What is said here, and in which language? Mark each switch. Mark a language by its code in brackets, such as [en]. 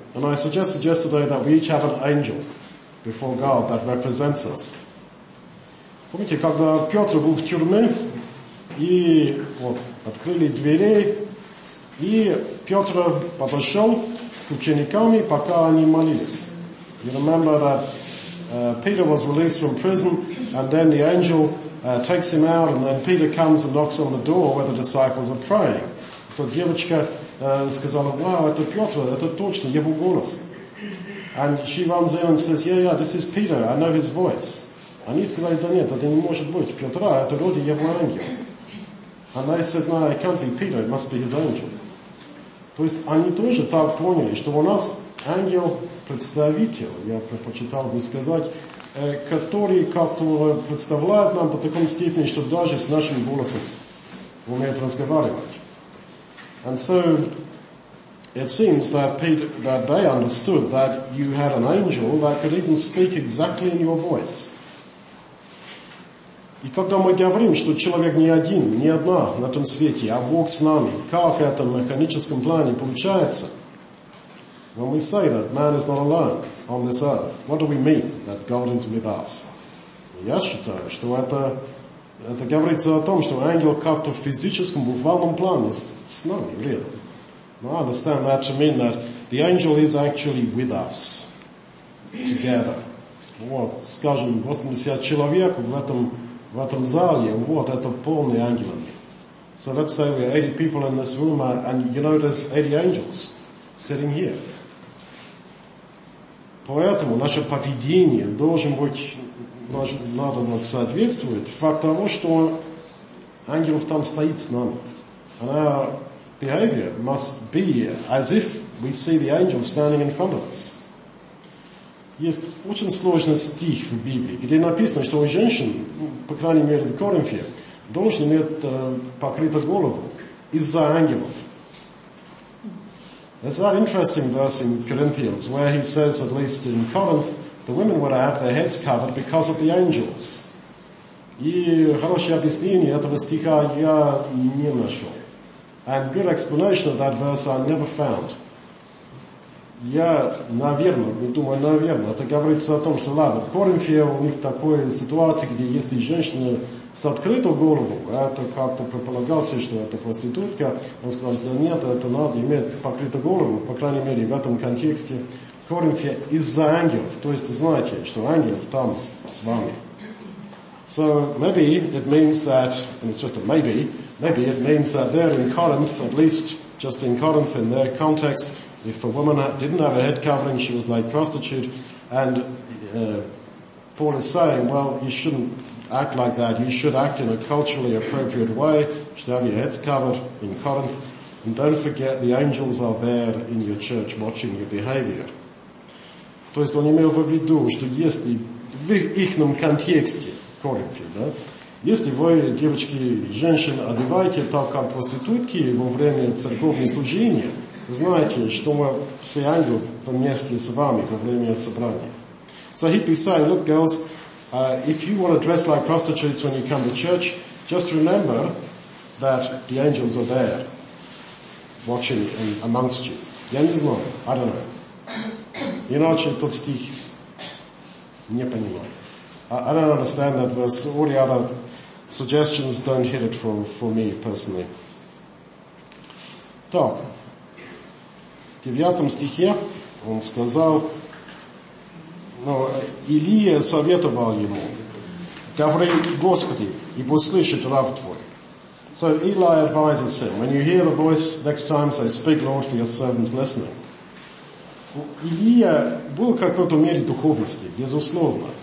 [en] And I suggested yesterday that we each have an angel before God that represents us. [ru] Помните, когда Петр был в тюрьме, и вот, открыли двери, и Петр подошел к ученикам, пока они молились. [en] You remember that Peter was released from prison, and then the angel takes him out, and then Peter comes and knocks on the door where the disciples are praying. [ru] То девочка сказала, "Wow, это Петр, это точно его голос." [en] And she runs in and says, "Yeah, this is Peter. I know his voice." [ru] Они сказали, "Да нет, это не может быть Петра, это вроде его ангел." [en] And they said, "No, it can't be Peter. It must be his angel." [ru] То есть они тоже так поняли, что у нас ангел. Представитель, я предпочитал бы сказать, который как-то представляет нам до такой степени, что даже с нашим голосом умеет разговаривать. [en] And so it seems that Peter, that they understood that you had an angel that could even speak exactly in your voice. [ru] И когда мы говорим, что человек не один, не одна на этом свете, а Бог с нами, как это в механическом плане получается? [en] When we say that man is not alone on this earth, what do we mean that God is with us? [ru] Я считаю, что это говорится о том, что ангел как-то в физическом, буквальном плане с нами, really. [en] No, I understand that to mean that the angel is actually with us, together. [ru] Вот, скажем, 80 человек в этом зале, вот, это полный ангел. [en] So let's say we're 80 people in this room, and you know there's 80 angels sitting here. [ru] Поэтому наше поведение должен быть, надо соответствовать факту того, что ангел там стоит с нами. [en] And our behavior must be as if we see the angel standing in front of us. [ru] Есть очень сложный стих в Библии, где написано, что женщина, по крайней мере в Коринфе, должна иметь покрытую голову из-за ангелов. [en] There's that interesting verse in Corinthians where he says, at least in Corinth, the women would have their heads covered because of the angels. [ru] И хорошее объяснение этого стиха я не нашел. [en] And good explanation of that verse I never found. [ru] Я, наверное, не думаю, наверное, это говорится о том, что ладно, в Коринфе у них такая ситуация, где есть и женщина с открытой головой, это как-то предполагался, что это проститутка, он сказал, что да нет, это надо иметь покрытую голову, по крайней мере, в этом контексте. В Коринфе из-за ангелов, то есть знаете, что ангелов там с вами. [en] So maybe it means that, and it's just a maybe, maybe it means that there in Corinth, at least just in Corinth, in their context, if a woman didn't have a head covering, she was like prostitute, and Paul is saying, well, you shouldn't act like that, you should act in a culturally appropriate way, you should have your heads covered in Corinth, and don't forget the angels are there in your church watching your behavior. [ru] То есть он имел в виду, что если в их контексте, Коринфе, да, если вы, девочки, женщин, одеваете так, как проститутки во время церковного служения, знаете, что мы все ангелы вместе с вами во время собрания. [en] So he'd be saying, look, girls, if you want to dress like prostitutes when you come to church, just remember that the angels are there watching amongst you. [ru] Я не знаю, [en] I don't know. [ru] Иначе тот стих не понимаю. [en] I don't understand that verse. All the other suggestions don't hit it for me personally. [ru] Так. В 9 стихе он сказал, ну, Илия советовал ему, говори Господи, ибо слышит раб твой. [en] So Eli advises him, when you hear the voice next time, say, speak, Lord, for your servant's listening. [ru] Илия был какой-то мере духовности, безусловно.